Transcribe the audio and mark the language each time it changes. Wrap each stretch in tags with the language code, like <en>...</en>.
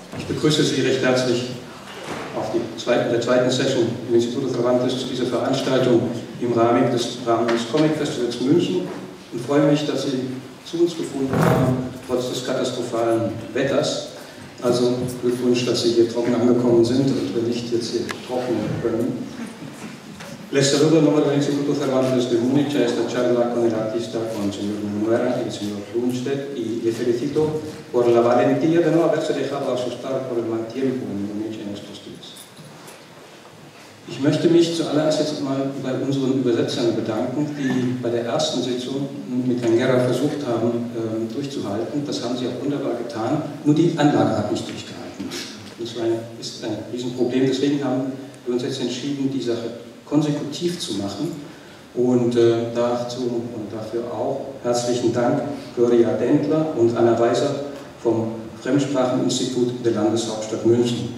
<de>Ich begrüße Sie recht herzlich auf der zweiten Session im Instituto Cervantes zu dieser Veranstaltung im Rahmen des Comic Festivals München und freue mich, dass Sie zu uns gefunden haben, trotz des katastrophalen Wetters. Also Glückwunsch, dass Sie hier trocken angekommen sind und wenn nicht, jetzt hier trocken können.</de> <es>Les saludo a nombre del Instituto Cervantes de Múnich a esta charla con el artista, con el señor Munera y el señor Lundstedt, y le felicito por la valentía de no haberse dejado asustar por el mal tiempo en Múnich en estos días.</es> <de>Ich möchte mich zuallererst jetzt mal bei unseren Übersetzern bedanken, die bei der ersten Sitzung mit Herrn Gerra versucht haben, durchzuhalten. Das haben sie auch wunderbar getan, nur die Anlage hat nicht durchgehalten. Das ist ein Riesenproblem, deswegen haben wir uns jetzt entschieden, die Sache konsekutiv zu machen und dazu und dafür auch herzlichen Dank Gloria Dentler und Anna Weiser vom Fremdspracheninstitut der Landeshauptstadt München.</de>